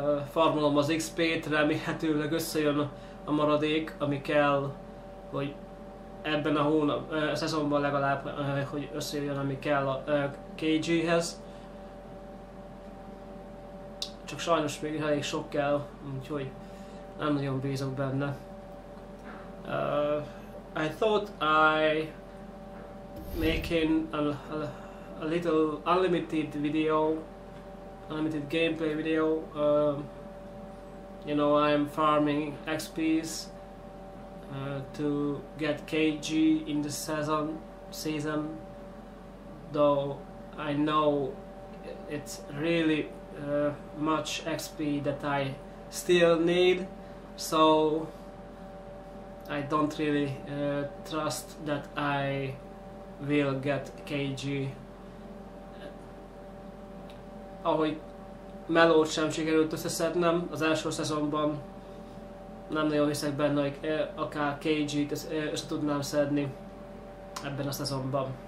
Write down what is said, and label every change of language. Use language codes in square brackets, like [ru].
[hu] Farmolom az XP-t, remélhetőleg összejön a maradék, ami kell, hogy ebben a hónap, a szezonban legalább, hogy összejön, ami kell a KG-hez. Csak sajnos még elég sok kell, úgyhogy nem nagyon bízok benne. [en] I thought I making a little unlimited video. Unlimited gameplay video. You know, I'm farming XP's to get KG in the season. Though I know it's really much XP that I still need, so I don't really trust that I will get KG. [hu] Ahogy Melót sem sikerült összeszednem az első szezonban, nem nagyon hiszek benne, hogy akár KG-t össze tudnám szedni ebben a szezonban.